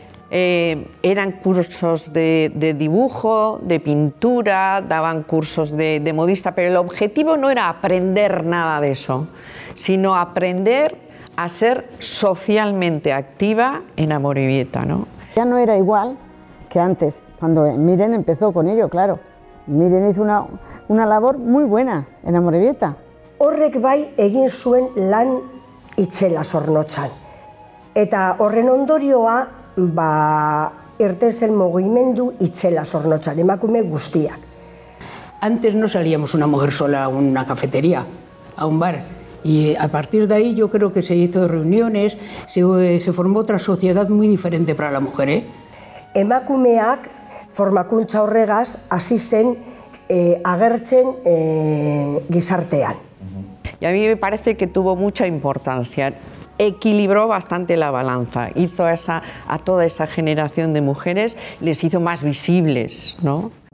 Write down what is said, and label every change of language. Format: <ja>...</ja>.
<es>Eran cursos de dibujo, de pintura, daban cursos de modista, pero el objetivo no era aprender nada de eso, sino aprender a ser socialmente activa en Amorebieta, ¿no? Ya no era igual que antes, cuando Miren empezó con ello, claro. Miren hizo una labor muy buena en Amorebieta.</es> <eu>Horrek bai egin zuen lan itxela Zornotzan. Eta horren ondorioa, ba, irten zen mugimendu itxela Zornotzan, emakume guztiak.</eu> <es>Antes no salíamos una mujer sola a una cafetería, a un bar. Y a partir de ahí yo creo que se hizo reuniones, se formó otra sociedad muy diferente para la mujer, ¿eh?</es> <eu>Emakumeak formakuntza horregaz hasi zen agertzen gizartean.</eu> <es>Y a mí me parece que tuvo mucha importancia. Equilibró bastante la balanza, hizo a toda esa generación de mujeres, les hizo más visibles, ¿no?</es>